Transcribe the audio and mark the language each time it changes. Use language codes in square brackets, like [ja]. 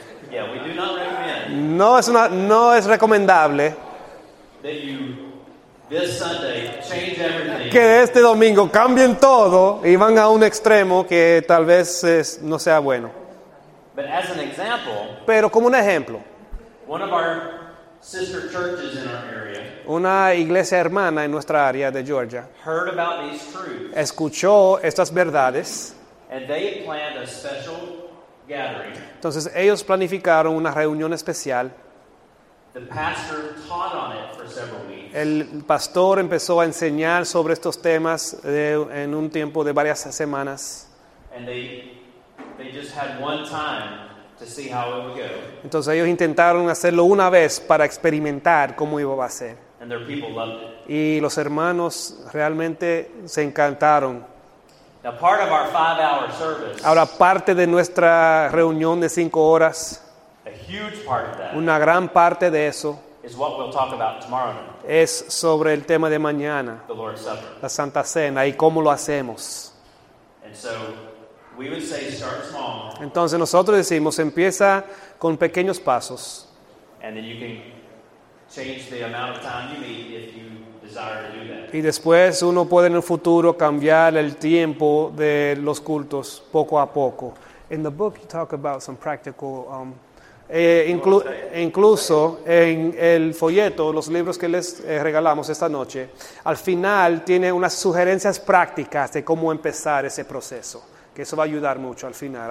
[en] Yeah, we do not recommend. [es] No es recomendable [en] that you, this Sunday, change everything. [es] Que este domingo cambien todo y van a un extremo que tal vez no sea bueno. [en] But as an example, [es] pero como un ejemplo, [en] one of our sister churches in our area, [es] una iglesia hermana en nuestra área de Georgia, [en] heard about these truths, [es] escuchó estas verdades, [en] and they planned a special gathering. [es] Entonces ellos planificaron una reunión especial. [en] The pastor taught on it for several weeks. [es] El pastor empezó a enseñar sobre estos temas en un tiempo de varias semanas. [en] And they just had one time to see how it would go. [es] Entonces ellos intentaron hacerlo una vez para experimentar cómo iba a ser. [en] And their people loved it. [es] Y los hermanos realmente se encantaron. [en] Now, part of our 5-hour service, [es] ahora, parte de nuestra reunión de 5 horas, [en] a huge part of that, [es] una gran parte de eso, [en] is what we'll talk about tomorrow night. [es] Es sobre el tema de mañana, [en] the Lord's Supper, [es] la Santa Cena, y cómo lo hacemos. [en] And so, we would say start small. [es] Entonces, nosotros decimos, empieza con pequeños pasos. [en] And then you can change the amount of time you need if you desire to do that. [es] Y después uno puede en el futuro cambiar el tiempo de los cultos poco a poco. [en] In the book you talk about some practical [es] incluso en el folleto, los libros que les regalamos esta noche, al final tiene unas sugerencias prácticas de cómo empezar ese proceso, que eso va a ayudar mucho al final.